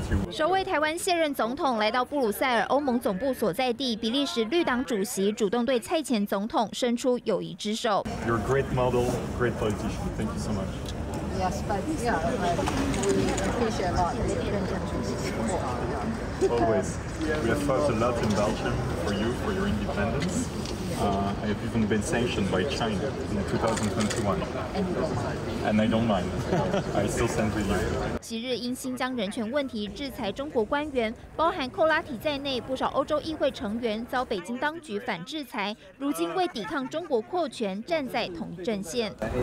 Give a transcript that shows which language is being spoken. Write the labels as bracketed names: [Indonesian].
[Chinese] 首位台湾卸任总统来到布鲁塞尔欧盟总部所在地，比利时绿党主席主动对蔡前总统伸出友谊之手。 [English] You're a great model, great politician. Thank you so much. Yes, but yeah, but we appreciate a lot. Always, we have fought a lot in Belgium for you, for your independence. I have even been sanctioned by China in 2021, and I don't mind. I still stand with you. [Chinese] 昔日因新疆人权问题制裁中国官员，包含寇拉提在内，不少欧洲议会成员遭北京当局反制裁。如今为抵抗中国扩权，站在同一阵线。